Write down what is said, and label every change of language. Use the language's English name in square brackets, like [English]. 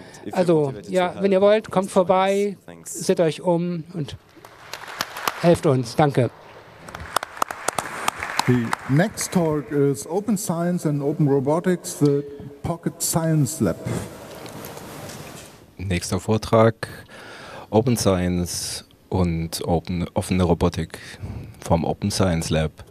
[German] Also, ja, wenn ihr wollt, kommt vorbei, seht euch um und helft uns. Danke. [English] The next talk is Open Science and Open Robotics, the Pocket Science Lab. [German] Nächster Vortrag, Open Science und offene Robotik vom Open Science Lab.